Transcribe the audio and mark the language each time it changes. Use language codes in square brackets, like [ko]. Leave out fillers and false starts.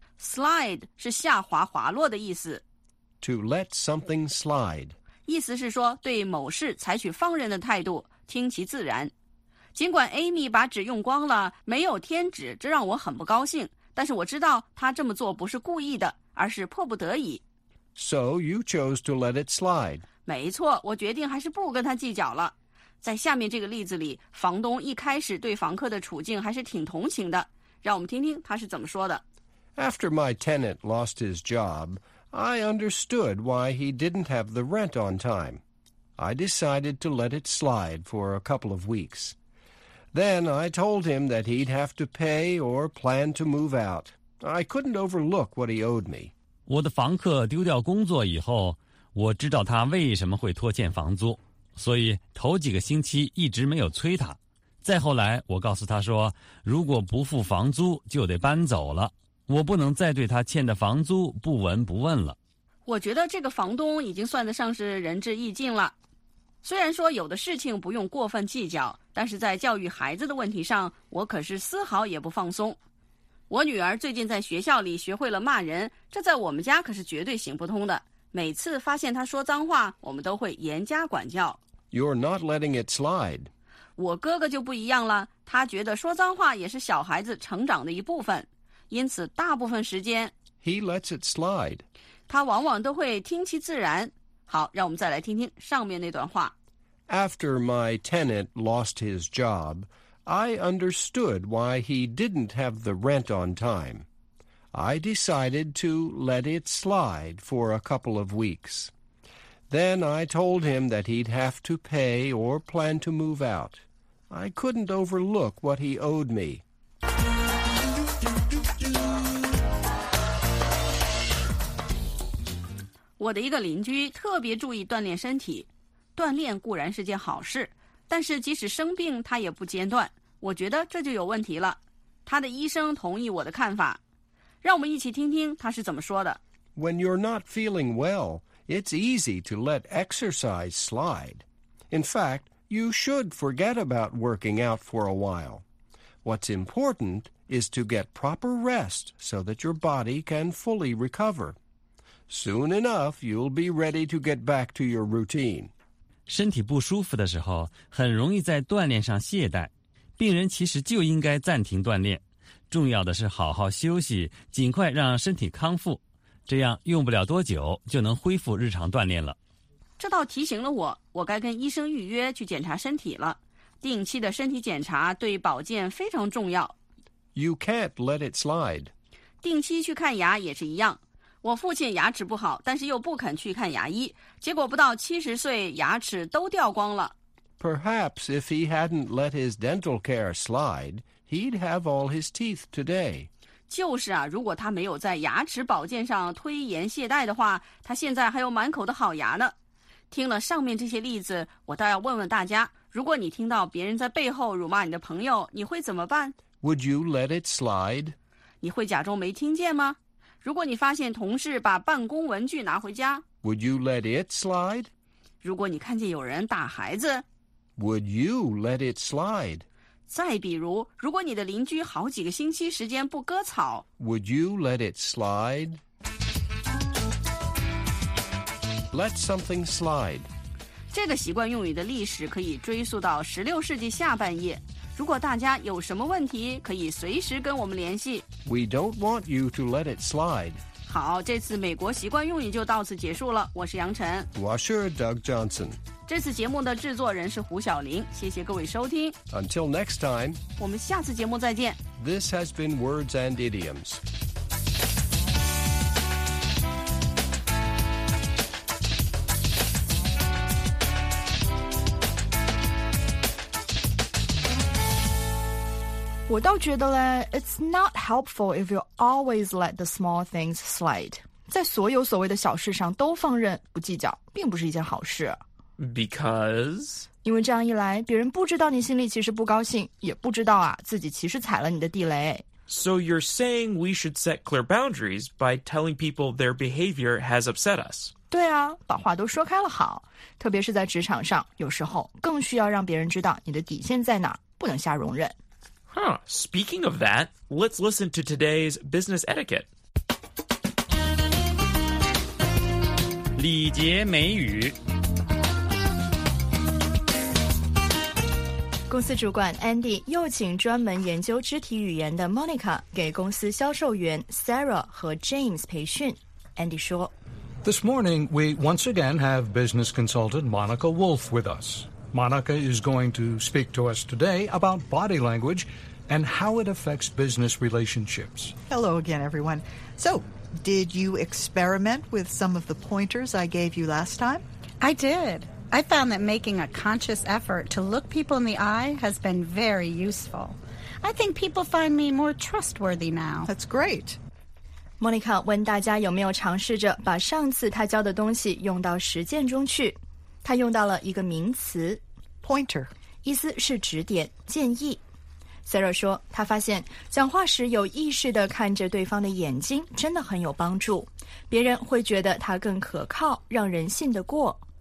[zh] Slide 是下滑滑落的意思。 [en] To let something slide. [zh] 意思是说对某事采取放任的态度，听其自然。尽管 Amy 把纸用光了，没有添纸，这让我很不高兴，但是我知道她这么做不是故意的，而是迫不得已。 [en] So you chose to let it slide. [zh] 没错，我决定还是不跟她计较了。在下面这个例子里，房东一开始对房客的处境还是挺同情的，让我们听听他是怎么说的。 [en] After my tenant lost his job,I understood why he didn't have the rent on time. I decided to let it slide for a couple of weeks. Then I told him that he'd have to pay or plan to move out. I couldn't overlook what he owed me. [zh] 我的房客丢掉工作以后，我知道他为什么会拖欠房租，所以头几个星期一直没有催他。再后来，我告诉他说，如果不付房租，就得搬走了。我不能再对他欠的房租不闻不问了。我觉得这个房东已经算得上是仁至义尽了。虽然说有的事情不用过分计较，但是在教育孩子的问题上，我可是丝毫也不放松。我女儿最近在学校里学会了骂人，这在我们家可是绝对行不通的。每次发现她说脏话，我们都会严加管教。 [en] You're not letting it slide. [zh] 我哥哥就不一样了，他觉得说脏话也是小孩子成长的一部分。因此大部分时间 [en] He lets it slide. [zh] 他往往都会听其自然。好，让我们再来听听上面那段话。 [en] After my tenant lost his job, I understood why he didn't have the rent on time. I decided to let it slide for a couple of weeks. Then I told him that he'd have to pay or plan to move out. I couldn't overlook what he owed me. [zh] 我的一个邻居特别注意锻炼身体，锻炼固然是件好事，但是即使生病他也不间断，我觉得这就有问题了。他的医生同意我的看法，让我们一起听听他是怎么说的。 [en] When you're not feeling well, it's easy to let exercise slide. In fact, you should forget about working out for a while. What's important is to get proper rest so that your body can fully recover. Soon enough, you'll be ready to get back to your routine. [zh] 身体不舒服的时候，很容易在锻炼上懈怠。病人其实就应该暂停锻炼，重要的是好好休息，尽快让身体康复，这样用不了多久就能恢复日常锻炼了。这倒提醒了我，我该跟医生预约去检查身体了。定期的身体检查对保健非常重要。 [en] You can't let it slide. [zh] 定期去看牙也是一样。我父亲牙齿不好，但是又不肯去看牙医，结果不到70岁，牙齿都掉光了。 [en] Perhaps if he hadn't let his dental care slide, he'd have all his teeth today. [zh] 就是啊，如果他没有在牙齿保健上推延懈怠的话，他现在还有满口的好牙呢。听了上面这些例子，我倒要问问大家，如果你听到别人在背后辱骂你的朋友，你会怎么办？ [en] Would you let it slide? [zh] 你会假装没听见吗？如果你发现同事把办公文具拿回家 [en] ，Would you let it slide？ [zh] 如果你看见有人打孩子 [en] ，Would you let it slide？ [zh] 再比如，如果你的邻居好几个星期时间不割草 [en] ，Would you let it slide？ Let something slide。 [zh] 这个习惯用语的历史可以追溯到16世纪下半叶。如果大家有什么问题，可以随时跟我们联系。 [en] We don't want you to let it slide. [zh] 好，这次美国习惯用语就到此结束了。我是杨晨。 [en] Washer Doug Johnson. [zh] 这次节目的制作人是胡晓玲。谢谢各位收听。 [en] Until next time. [zh] 我们下次节目再见。 [en] This has been Words and Idioms. [zh] 我倒觉得呢 [en] it's not helpful if you always let the small things slide. [zh] 在所有所谓的小事上都放任不计较并不是一件好事。 [en] Because? [zh] 因为这样一来别人不知道你心里其实不高兴也不知道啊自己其实踩了你的地雷。 [en] So you're saying we should set clear boundaries by telling people their behavior has upset us. [zh] 对啊把话都说开了好。特别是在职场上有时候更需要让别人知道你的底线在哪不能瞎容忍。 Huh. [en] Speaking of that, let's listen to today's business etiquette. [zh] 礼节美语。公司主管 Andy 又请专门研究肢体语言的 Monica 给公司销售员 Sarah 和 James 培训。 Andy 说 [en] This morning, we once again have business consultant Monica Wolf with us. Monica is going to speak to us today about body language,and how it affects business relationships. Hello again, everyone. So, did you experiment with some of the pointers I gave you last time? I did. I found that making a conscious effort to look people in the eye has been very useful. I think people find me more trustworthy now. That's great. [zh] Monica 问大家有没有尝试着把上次她教的东西用到实践中去。她用到了一个名词 [en] Pointer. [zh] 意思是指点、建议。 Sarah 说他发现讲话时有意识地看着对方的眼睛真的很有帮助别人会觉得他更可靠让人信得过